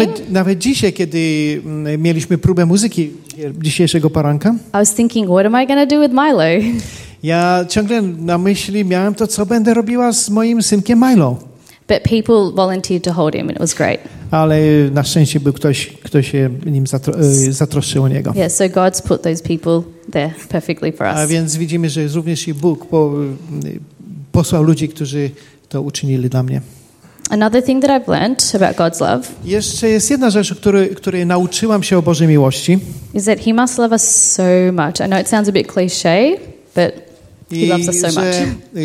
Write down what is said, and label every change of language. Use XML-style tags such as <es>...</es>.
<pl>Nawet dzisiaj, kiedy mieliśmy próbę muzyki dzisiejszego poranka.</pl> <en>I was thinking, what am I going to do with Milo?</en> <pl>Ja ciągle na myśli miałem to, co będę robiła z moim synkiem Milo.</pl> <en>But people volunteered to hold him and it was great.</en> <pl>Ale na szczęście był ktoś, kto się nim zatroszczył o niego.</pl> <en>Yeah, so God's put those people there perfectly for us.</en> <pl>A więc widzimy, że również i Bóg posłał ludzi, którzy to uczynili dla mnie.</pl> <en>Another thing that I've learned about God's love.</en> <pl>Jeszcze jest jedna rzecz, której nauczyłam się o Bożej miłości.</pl> <en>Is that he must love us so much. I know it sounds a bit cliche, but he loves us so much.</en>